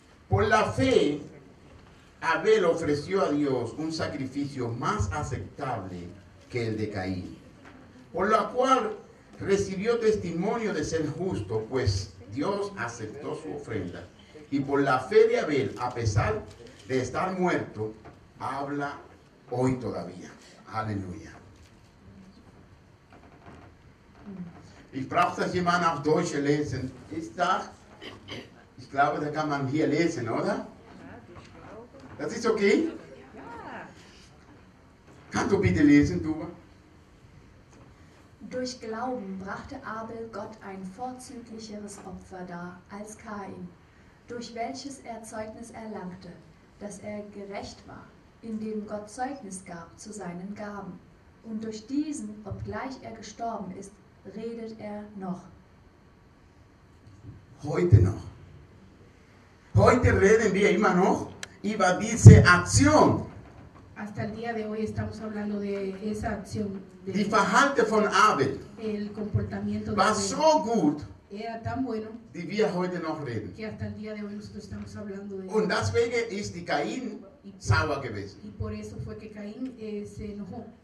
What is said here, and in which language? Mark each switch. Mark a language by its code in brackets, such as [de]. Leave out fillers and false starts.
[es] Por la fe, Abel ofreció a Dios un sacrificio más aceptable que el de Caín, por lo cual recibió testimonio de ser justo, pues Dios aceptó su ofrenda. Y por la fe de Abel, a pesar de estar muerto, habla hoy todavía. Aleluya. [de] Ich brauche das jemand auf Deutsch lesen. Ist das? Ich glaube, da kann man hier lesen, oder? Das ist okay? Ja. Kannst du bitte lesen, Tuba? Durch Glauben brachte Abel Gott ein vorzüglicheres Opfer dar als Kain. durch welches er Zeugnis erlangte, dass er gerecht war, indem Gott Zeugnis gab zu seinen Gaben. Und durch diesen, obgleich er gestorben ist, redet er noch. Heute noch. Heute reden wir immer noch über diese Aktion. [es] Hasta el día de hoy estamos hablando de esa acción. [de] Die Verhalte von Abel. [es] El comportamiento [de] war de so gut. [es] Era tan bueno. [de] Die wir heute noch reden. [es] Que hasta el día de hoy nosotros estamos hablando de. [de] Und deswegen ist die Caín sauer gewesen. [es] Y por eso fue que Caín se enojó.